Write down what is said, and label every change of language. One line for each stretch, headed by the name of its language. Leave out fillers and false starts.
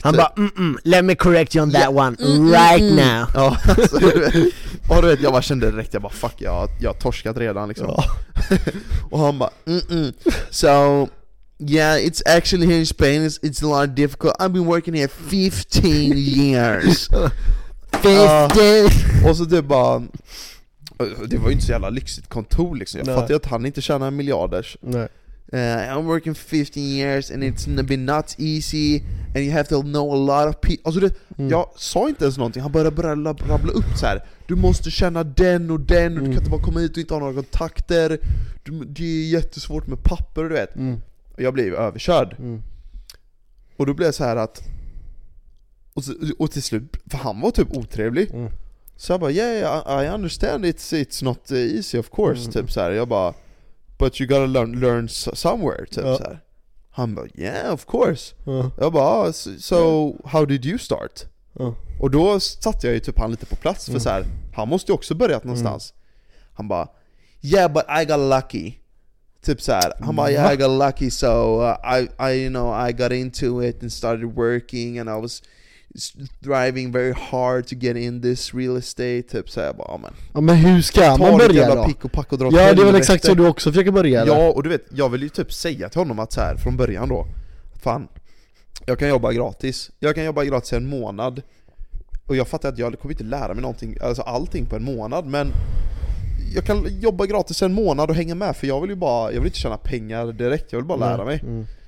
Swedish: Han bara,
English: let me correct you on that one right now.
Swedish: Ja, alltså, och du vet, jag bara kände direkt, jag bara, fuck, jag har torskat redan liksom. Ja. Och han bara,
English: so, yeah, it's actually here in Spain, it's a lot difficult. I've been working here 15 years. 15!
Swedish: Och så det bara, det var ju inte så jävla lyxigt kontor liksom. Jag fattar ju att han inte tjänar miljarders. Nej.
English: I'm working 15 years and it's been not easy and you have to know a lot of people.
Swedish: Alltså det, jag sa inte ens någonting. Han började rabbla upp så här. Du måste känna den och den och du kan inte bara komma hit och inte ha några kontakter. Det är jättesvårt med papper, du vet. Mm. Jag blev överkörd. Mm. Och då blev det så här att och till slut, för han var typ otrevlig. Mm. Så jag bara,
English: I understand it's not easy of course.
Swedish: Typ så här. Jag bara,
English: but you gotta learn somewhere.
Swedish: Typ, så här. Han bara,
English: yeah, of course.
Swedish: Jag bara,
English: how did you start?
Swedish: Och då satte jag ju typ han lite på plats. För så här, han måste ju också börjat någonstans. Han bara,
English: yeah, but I got lucky.
Swedish: typ så här, han bara,
English: I got lucky, so I you know, I got into it and started working and I was driving very hard to get in this real estate,
Swedish: typ så här, bara, men. Ja, men hur ska man börja då? Pick och pack och dra, ja, det är väl exakt så du också försöker börja. Ja, och du vet, jag vill ju typ säga till honom att så här, från början då, fan, jag kan jobba gratis. Jag kan jobba gratis en månad. Och jag fattar att jag kommer inte lära mig någonting, alltså allting på en månad, men jag kan jobba gratis en månad och hänga med, för jag vill ju bara, jag vill inte tjäna pengar direkt, jag vill bara lära mig.